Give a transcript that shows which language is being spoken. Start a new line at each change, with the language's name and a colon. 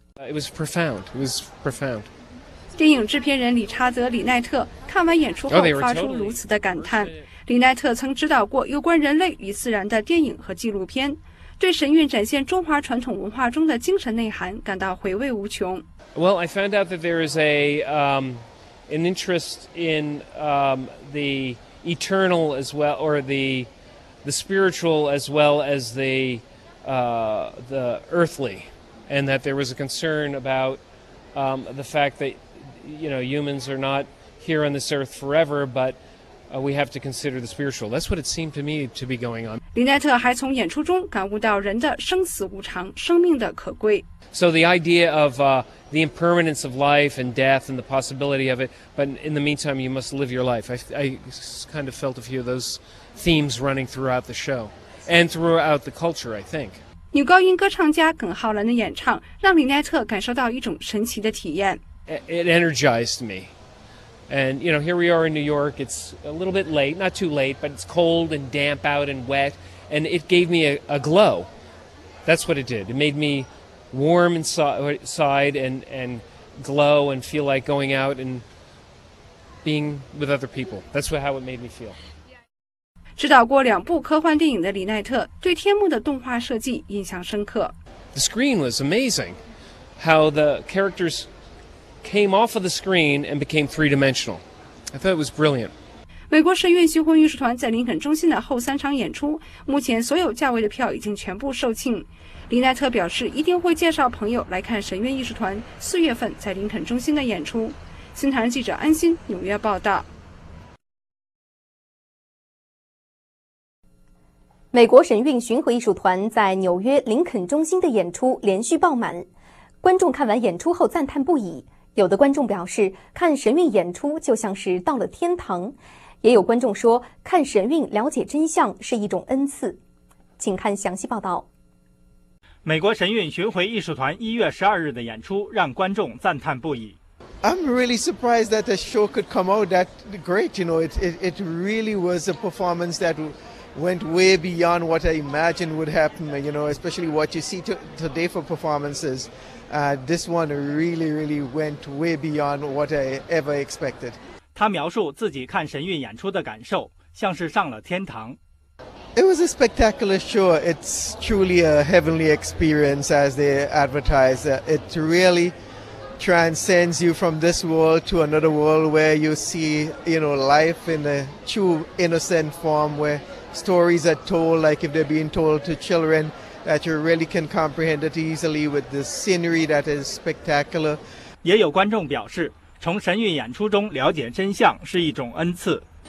English: It was profound.
Chinese: 电影制片人理查德·李奈特看完演出后发出如此的感叹。李奈特曾指导过有关人类与自然的电影和纪录片，对神韵展现中华传统文化中的精神内涵感到回味无穷。
English: Well, I found out that there is an interest in the eternal as well, or the spiritual as well as the earthly, and that there was a concern about the fact that humans are not here on this earth forever, but we have to consider the spiritual. That's what it seemed to me to be going on.
Chinese: 李奈特还从演出中感悟到人的生死无常，生命的可贵。
English: So the idea of the impermanence of life and death and the possibility of it, but in the meantime, you must live your life. I kind of felt a few of those themes running throughout the show and throughout the culture, I think.
Chinese: 女高音歌唱家耿浩然的演唱让李奈特感受到一种神奇的体验。
English: It energized me. And, here we are in New York. It's a little bit late, not too late, but it's cold and damp out and wet. And it gave me a glow. That's what it did. It made me warm inside and glow and feel like going out and being with other people. That's how it made me feel.
Chinese: 指导过两部科幻电影的李奈特对天幕的动画设计印象深刻。
English: The screen was amazing. How the characters... came off of the screen and became three-dimensional. I thought it was brilliant.
Chinese: 美国神韵巡回艺术团在林肯中心的后三场演出，目前所有价位的票已经全部售罄。李奈特表示，一定会介绍朋友来看神韵艺术团四月份在林肯中心的演出。新唐人记者安心，纽约报道。美国神韵巡回艺术团在纽约林肯中心的演出连续爆满，观众看完演出后赞叹不已。有的观众表示，看神韵演出就像是到了天堂，也有观众说，看神韵了解真相是一种恩赐。请看详细报道。美国神韵巡回艺术团1月12日的演出让观众赞叹不已。
English: I'm really surprised that the show could come out that great. It really was a performance that went way beyond what I imagined would happen, you know, especially what you see today for performances. This one really, really went way beyond what I ever expected.
Chinese: 他描述自己看神韵演出的感受，像是上了天堂。
English: It was a spectacular show. It's truly a heavenly experience, as they advertise. It really transcends you from this world to another world where you see, you know, life in a true innocent form, where stories are told like if they're being told to children, that you really can comprehend it easily with the scenery that is spectacular.
Chinese: 也有观众表示，从神韵演出中了解真相是一种恩赐。